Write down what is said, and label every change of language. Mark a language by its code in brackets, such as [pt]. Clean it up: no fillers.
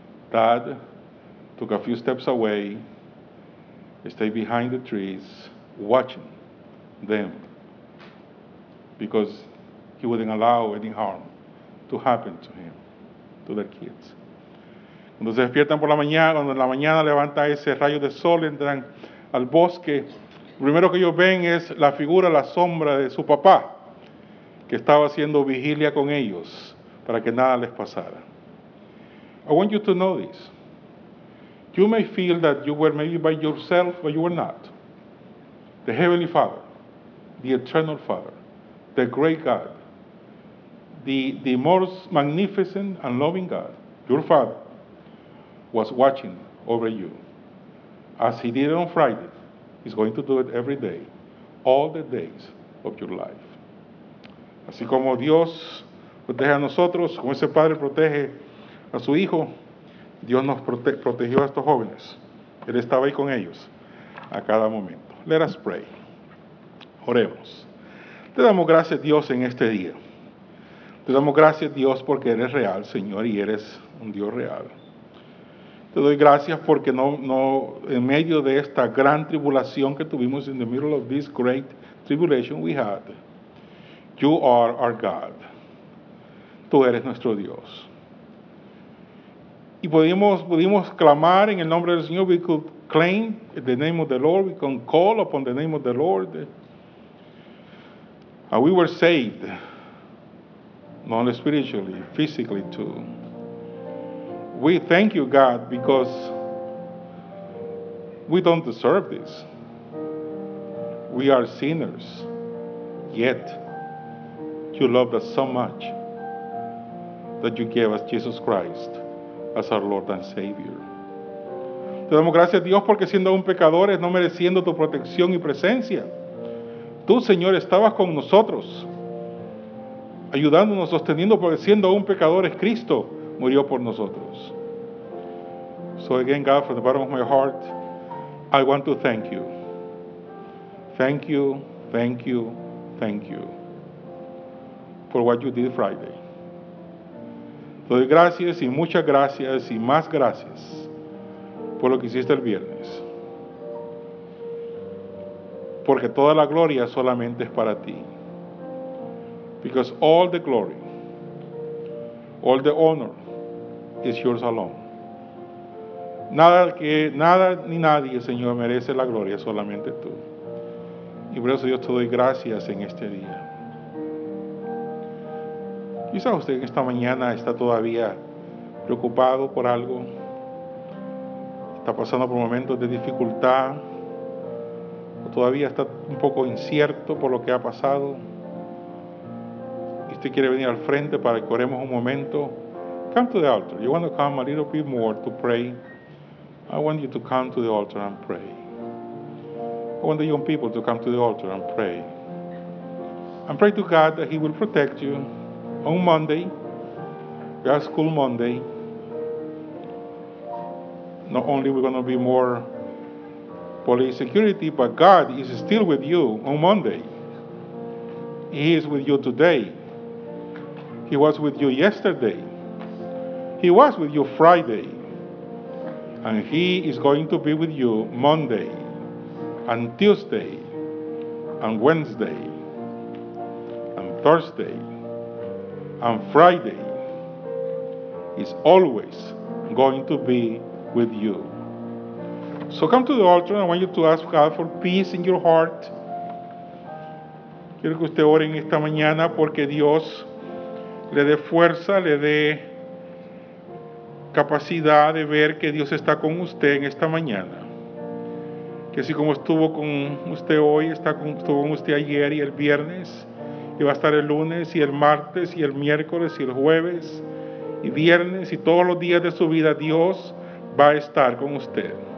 [en] Dad took a few steps away, stayed behind the trees, watching them, because he wouldn't allow any harm to happen to him, to their kids. [es] Cuando se despiertan por la mañana, cuando en la mañana levanta ese rayo de sol, entran al bosque. Lo primero que ellos ven es la figura, la sombra de su papá, que estaba haciendo vigilia con ellos para que nada les pasara. [en] I want you to know this. You may feel that you were maybe by yourself, but you were not. The Heavenly Father, the Eternal Father, the Great God, the most magnificent and loving God, your Father, was watching over you. As he did on Friday, he's going to do it every day, all the days of your life. [es] Así como Dios protege a nosotros, como ese Padre protege a su Hijo, Dios nos protegió a estos jóvenes. Él estaba ahí con ellos a cada momento. [en] Let us pray. [es] Oremos. Te damos gracias, Dios, en este día. Te damos gracias, Dios, porque eres real, Señor, y eres un Dios real. Te doy gracias porque no en medio de esta gran tribulación que tuvimos, [en] in the middle of this great tribulation we had, [es] you are our God. Tú eres nuestro Dios. Y pudimos clamar en el nombre del Señor. [en] We could claim the name of the Lord. We could call upon the name of the Lord. And we were saved, not spiritually, physically too. We thank you, God, because we don't deserve this. We are sinners, yet you loved us so much that you gave us Jesus Christ as our Lord and Savior. [es] Te damos gracias, Dios, porque siendo aún pecadores, no mereciendo tu protección y presencia, tú, Señor, estabas con nosotros, ayudándonos, sosteniendo, porque siendo aún pecadores, Cristo murió por nosotros. [en] So again, God, from the bottom of my heart, I want to thank you. Thank you, thank you, thank you for what you did Friday. [es] Te doy gracias y muchas gracias y más gracias por lo que hiciste el viernes. Porque toda la gloria solamente es para ti. [en] Because all the glory, all the honor is yours alone. [es] Nada ni nadie, Señor, merece la gloria, solamente tú. Y por eso, Dios, te doy gracias en este día. Quizá usted esta mañana está todavía preocupado por algo, está pasando por momentos de dificultad, o todavía está un poco incierto por lo que ha pasado, y usted quiere venir al frente para que oremos un momento. [en] Come to the altar. You want to come a little bit more to pray? I want you to come to the altar and pray. I want the young people to come to the altar and pray. And pray to God that He will protect you. On Monday, we have school Monday. Not only we're going to be more police security, but God is still with you on Monday. He is with you today. He was with you yesterday. He was with you Friday. And He is going to be with you Monday and Tuesday and Wednesday and Thursday. And Friday is always going to be with you. So come to the altar. I want you to ask God for peace in your heart. [es] Quiero que usted ore en esta mañana porque Dios le dé fuerza, le dé capacidad de ver que Dios está con usted en esta mañana. Que así como estuvo con usted hoy, estuvo con usted ayer y el viernes, y va a estar el lunes y el martes y el miércoles y el jueves y viernes y todos los días de su vida, Dios va a estar con usted.